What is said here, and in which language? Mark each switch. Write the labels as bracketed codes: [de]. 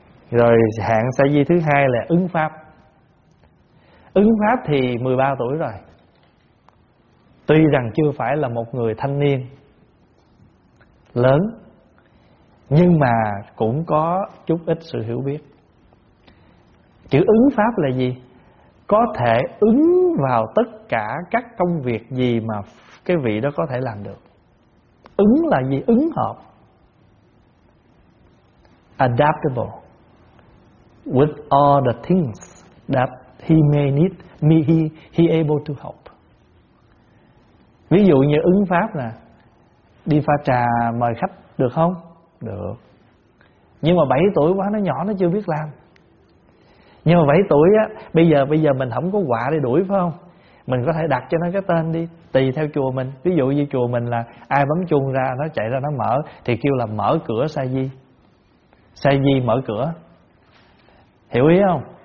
[vi] Rồi hạng sa di thứ hai là ứng pháp. Ứng pháp thì 13 tuổi rồi, tuy rằng chưa phải là một người thanh niên lớn, nhưng mà cũng có chút ít sự hiểu biết. Chữ ứng pháp là gì? Có thể ứng vào tất cả các công việc gì mà cái vị đó có thể làm được. Ứng là gì? Ứng hợp. [en] Adaptable with all the things that he may need, he able to help. [vi] Ví dụ như ứng pháp nè, đi pha trà mời khách được không? Được. Nhưng mà 7 tuổi quá, nó nhỏ, nó chưa biết làm. Nhưng mà 7 tuổi á, bây giờ mình không có quả để đuổi phải không? Mình có thể đặt cho nó cái tên đi, tùy theo chùa mình. Ví dụ như chùa mình là ai bấm chuông ra, nó chạy ra nó mở, thì kêu là mở cửa sa di. Sa di mở cửa. Hiểu ý không?